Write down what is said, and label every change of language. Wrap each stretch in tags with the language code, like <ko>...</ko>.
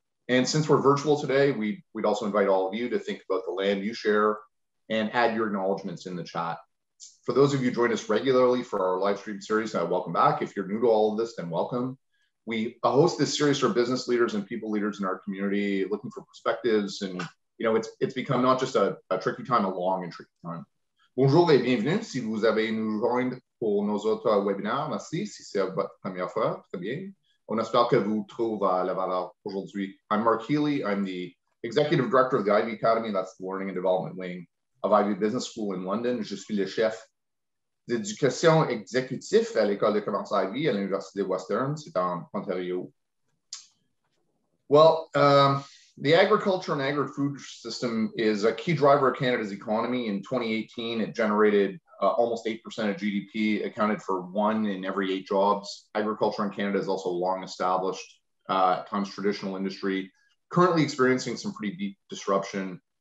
<en>And since we're virtual today, we'd also invite all of you to think about the land you share and add your acknowledgements in the chat. For those of you who join us regularly for our live stream series, welcome back. If you're new to all of this, then welcome. We host this series for business leaders and people leaders in our community, looking for perspectives. And, you know, it's become not just a tricky time, a long and tricky time.</en> <fr>Bonjour et bienvenue. Si vous avez nous rejoint pour nos autres webinaires, merci. Si c'est votre première fois, très bien. On espère que vous trouvez la valeur aujourd'hui.</fr> <en>I'm Mark Healy. I'm the executive director of the Ivey Academy. That's the learning and development wing of Ivey Business School in London.</en> <fr>Je suis le chef d'éducation exécutif à l'école de commerce Ivey à l'Université Western, c'est en Ontario.</fr> <en>Well, the agriculture and agri-food system is a key driver of Canada's economy. In 2018, it generated almost 8% of GDP, accounted for one in every eight jobs. Agriculture in Canada is also a long established, at times traditional industry, currently experiencing some pretty deep disruption.</en>